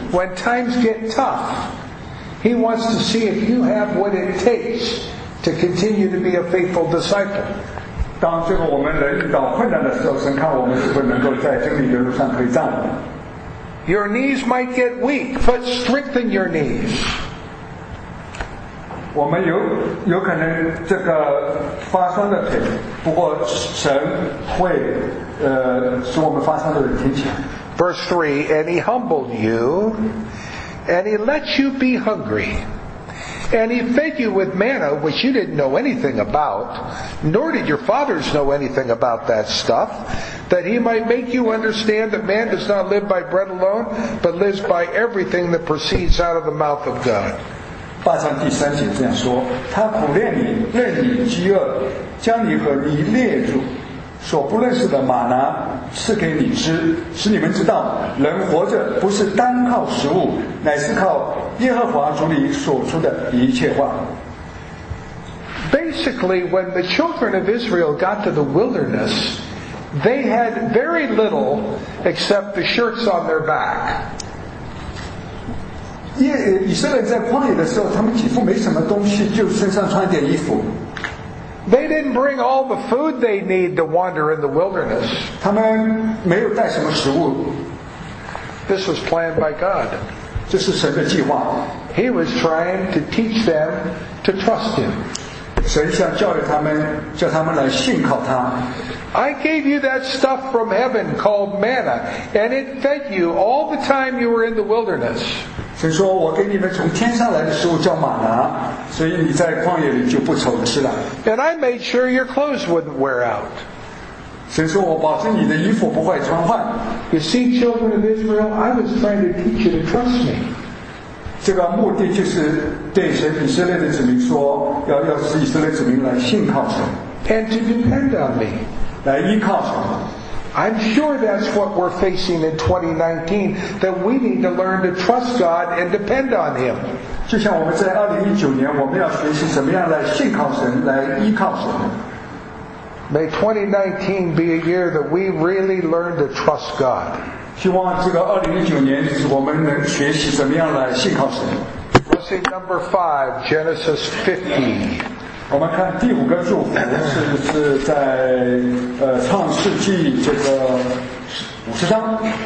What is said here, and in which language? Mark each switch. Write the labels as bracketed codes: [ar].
[en] When times get tough, He wants to see if you have what it takes to continue to be a faithful disciple. [zh] 当这个我们人遇到困难的时候，神看我们是否能够在真理的路上可以站稳。 [en] Your knees might get weak, but strengthen your knees. [zh] 我们 有可能这个发酸的腿，不过神会使我们发酸的腿挺起来。 [en] Verse 3, and he humbled you, and he let you be hungry, and he fed you with manna, which you didn't know anything about, nor did your fathers know anything about that stuff, that he might make you understand that man does not live by bread alone, but lives by everything that proceeds out of the mouth of God. [zh] 八章第三节这样说，他苦练你，任你饥饿，将你和你列祖所不认识的玛拿赐给你吃，使你们知道人活着不是单靠食物，乃是靠耶和华主你所出的一切话。 [en] Basically, when the children of Israel got to the wilderness, they had very little except the shirts on their back. [zh] 以色列在旷野的时候，他们几乎没什么东西，就身上穿点衣服。 [en] They didn't bring all the food they need to wander in the wilderness. [zh] 他们没有带什么食物。 [en] This was planned by God. [zh] 这是神的计划。 [en] He was trying to teach them to trust Him. [zh] 神想教育他们，叫他们来信靠他。 [en] I gave you that stuff from heaven called manna, and it fed you all the time you were in the wilderness. [zh] 神说我给你们从天上来的食物叫玛拿，所以你在旷野里就不愁吃了。 [en] And I made sure your clothes wouldn't wear out. [zh] 神说我保证你的衣服不会穿坏。 [en] You see, children of Israel, I was trying to teach you to trust me. [zh] 这个目的就是对神以色列的子民说，要使以色列子民来信靠神。 [en] And to depend on me. [zh] 来依靠神。 [en] I'm sure that's what we're facing in 2019, that we need to learn to trust God and depend on Him. [zh] 就像我们在2019年，我们要学习怎么样来信靠神，来依靠神。 [en] May 2019 be a year that we really learn to trust God. [zh] 希望这个2019年是我们能学习怎么样来信靠神。 [en] Blessing number 5, Genesis 50. [zh] 我们看第五个祝福是在创世纪这个五十章